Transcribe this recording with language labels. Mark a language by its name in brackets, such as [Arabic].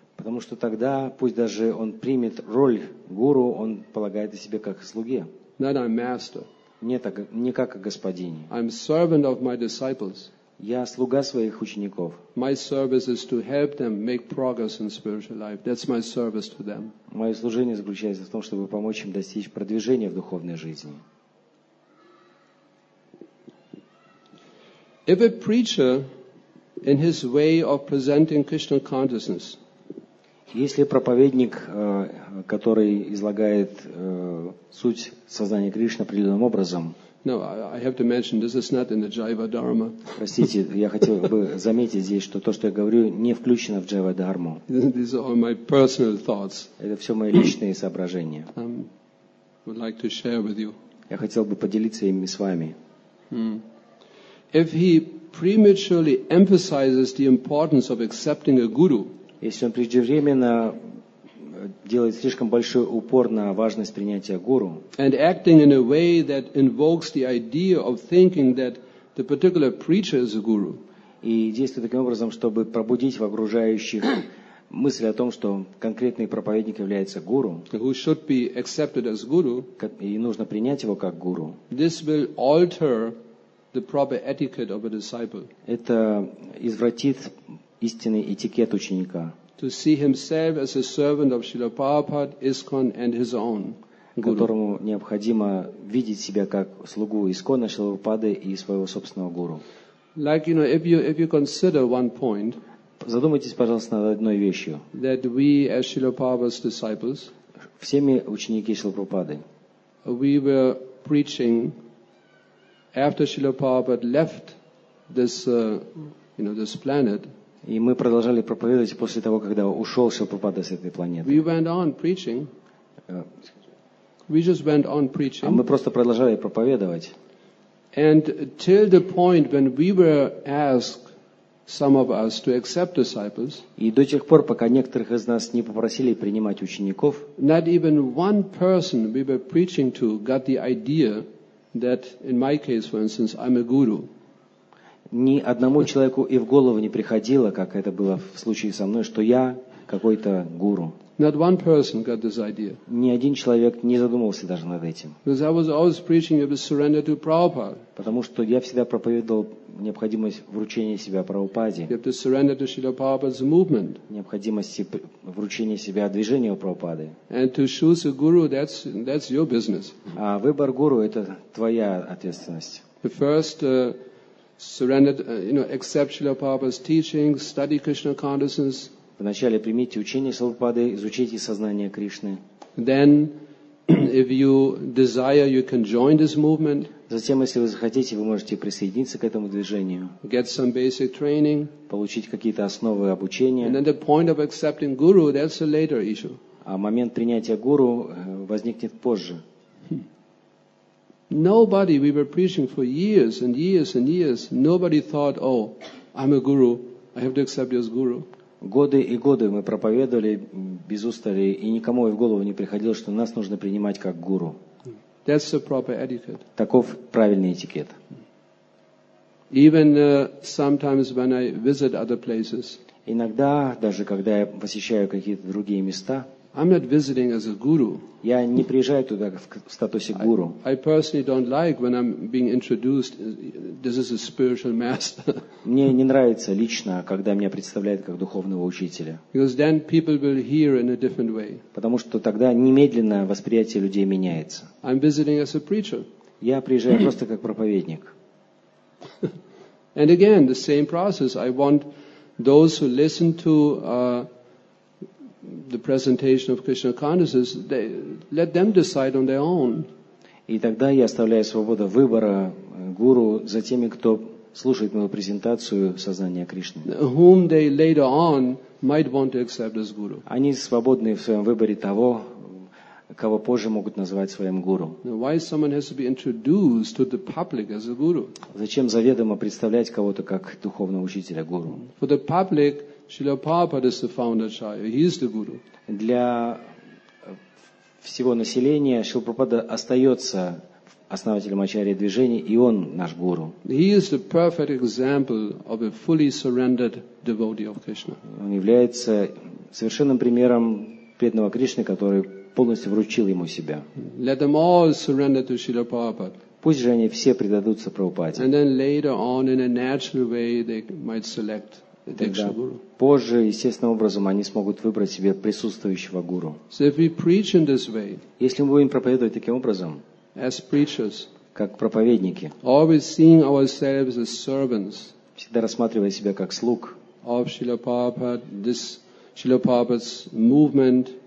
[Russian] Потому что тогда, пусть даже он примет роль гуру, он полагает о себе как о слуге. [English] Not I'm master. [Russian] Не как о господине. [English] I'm servant of my disciples. [Russian] Я слуга своих учеников. [English] My service is to help them make progress in spiritual life. That's my service to them. [Russian] Мое служение заключается в том, чтобы помочь им достичь продвижения в духовной жизни. [English] If a preacher in his way of presenting Krishna consciousness, [Russian] если проповедник, который излагает суть сознания Кришны определенным образом, [English] no, I have to mention, this is not in the Jiva Dharma. [Russian] Простите, я хотел бы заметить здесь, что то, что я говорю, не включено в Jiva Dharma. [English] These are all my personal thoughts. [Russian] Это все мои личные соображения. [English] Would like to share with you. [Russian] Я хотел бы поделиться ими с вами. [English] If he prematurely emphasizes the importance of accepting a guru, [Russian] если он преждевременно делает слишком большой упор на важность принятия гуру, [English] and acting in a way that invokes the idea of thinking that the particular preacher is a guru, [Russian] и действует таким образом, чтобы пробудить в окружающих мысль о том, что конкретный проповедник является гуру, [English] who should be accepted as guru, [Russian] и нужно принять его как гуру, [English] this will alter the proper etiquette of a disciple. [Russian] Это извратит истинный этикет ученика. [English] To see himself as a servant of Srila Prabhupada, ISKCON and his own guru. [Russian] Которому необходимо видеть себя как слугу ИСКОНа, Шрилы Прабхупады и своего собственного гуру. [English] Like, you know, if you consider one point, [Russian] задумайтесь, пожалуйста, над одной вещью. [English] That we, as Srila Prabhupada's disciples, [Russian] все мы ученики Шрилы Прабхупады, [English] we were preaching after Srila Prabhupada left this, you know, this planet. [Russian] И мы продолжали проповедовать после того, когда ушел Шрила Прабхупада с этой планеты. [English] We went on preaching. We just went on preaching. [Russian] А мы просто продолжали проповедовать. [English] And till the point when we were asked, some of us, to accept disciples. [Russian] И до тех пор, пока некоторых из нас не попросили принимать учеников. [English] Not even one person we were preaching to got the idea that, in my case, for instance, I'm a guru. [Russian] Ни одному человеку и в голову не приходило, как это было в случае со мной, что я какой-то гуру. [English] Not one person got this idea. [Russian] Ни один человек не задумывался даже над этим. [English] Because I was always preaching about surrender to Prabhupada. [Russian] Потому что я всегда проповедовал необходимость вручения себя Прабхупаде. [English] You have to surrender to Srila Prabhupada's movement. [Russian] Необходимости вручения себя движению Прабхупады. [English] And to choose a guru, that's your business. [Russian] А выбор гуру — это твоя ответственность. [English] The first, accept Srila Prabhupada's teachings, study Krishna consciousness. [Russian] Вначале примите учение Шрилы Прабхупады, изучите сознание Кришны. [English] Then, if you desire, you can join this movement. [Russian] Затем, если вы захотите, вы можете присоединиться к этому движению. [English] Get some basic training. [Russian] Получить какие-то основы обучения. [English] And then the point of accepting guru, that's a later issue. [Russian] А момент принятия гуру возникнет позже. [English] Nobody, we were preaching for years and years and years, nobody thought, oh, I'm a guru, I have to accept you as guru. [Russian] Годы и годы мы проповедовали без устали, и никому и в голову не приходило, что нас нужно принимать как гуру. [English] That's the proper etiquette. [Russian] Таков правильный этикет. [English] Even sometimes when I visit other places. [Russian] Иногда, даже когда я посещаю какие-то другие места, [English] I'm not visiting as a guru. [Russian] Я не приезжаю туда в статусе гуру. [English] I personally don't like when I'm being introduced. This is a spiritual master. [Russian] Мне не нравится лично, когда меня представляют как духовного учителя. [English] Because then people will hear in a different way. [Russian] Потому что тогда немедленно восприятие людей меняется. [English] I'm visiting as a preacher. [Russian] Я приезжаю просто как проповедник. [English] And again, the same process. I want those who listen to the presentation of Krishna consciousness, they let them decide on their own. [Russian] И тогда я оставляю свободу выбора гуру за теми, кто слушает мою презентацию сознания Кришны. [English] Whom they later on might want to accept as guru. [Russian] Они свободны в своем выборе того, кого позже могут назвать своим гуру. [English] Why someone has to be introduced to the public as a guru? [Russian] Зачем заведомо представлять кого-то как духовного учителя гуру? [English] For the public, Srila Prabhupada is the founder acharya. He is the guru. [Russian] Для всего населения Шрила Прабхупада остается основателем ачарьи движения, и он наш гуру. [English] He is the perfect example of a fully surrendered devotee of Krishna. [Russian] Он является совершенным примером преданного Кришны, который полностью вручил ему себя. [English] Let them all surrender to Srila Prabhupada. [Russian] Пусть же они все предадутся Прабхупаде. [English] And then later on, in a natural way, they might select the actual guru. [Russian] Позже, естественным образом, они смогут выбрать себе присутствующего гуру. [English] So if we preach in this way, [Russian] если мы будем проповедовать таким образом, [English] as preachers, [Russian] как проповедники, [English] always seeing ourselves as servants, [Russian] всегда рассматривая себя как слуг, [English] of Srila Prabhupada, this Srila Prabhupada's movement,